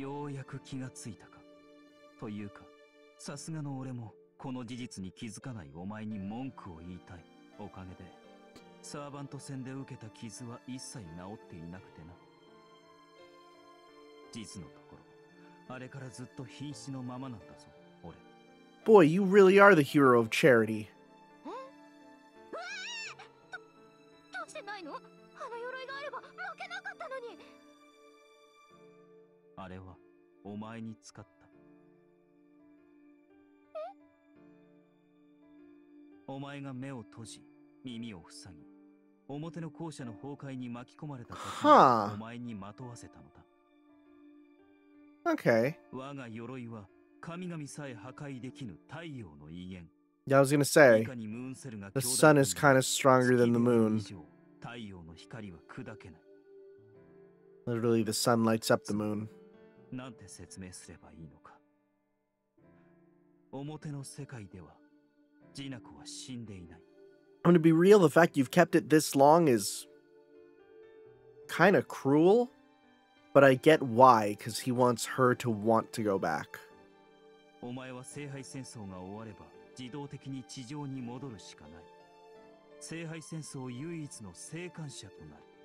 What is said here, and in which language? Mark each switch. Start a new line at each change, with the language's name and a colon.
Japanese: ようやく気がついたか。というか、さすがの俺もこの事実に気づかないお前に文句を言いたい。おかげでサーバント戦で受けた傷は一切治っていなくてな。実のところ、あれからずっと瀕死のままなんだぞ、俺。
English: Boy, you really are the hero of charity.
Japanese: どうしてないの？あの鎧があれば負けなかったのに。あれはお前に使った。お前が目を閉じ、耳を塞ぎ、表の校舎の崩壊に巻き込まれた時に、お前にまとわせたのだ。
English: Okay.
Japanese: 我が鎧は神々さえ破壊できぬ太陽の威厳。
English: Yeah, I was gonna say, the sun is kind of stronger than the moon.
Japanese: 太陽の光は砕けない。
English: Literally, the sun lights up the moon.
Japanese: なんて説明すればいいのか。表の世界では、ジナコは死んでいない。
English: I'm gonna be real, the fact you've kept it this long is kind of cruel, but I get why, because he wants her to want to go back.
Japanese: お前は聖杯戦争が終われば自動的に地上に戻るしかない。聖杯戦争唯一の生還者となる。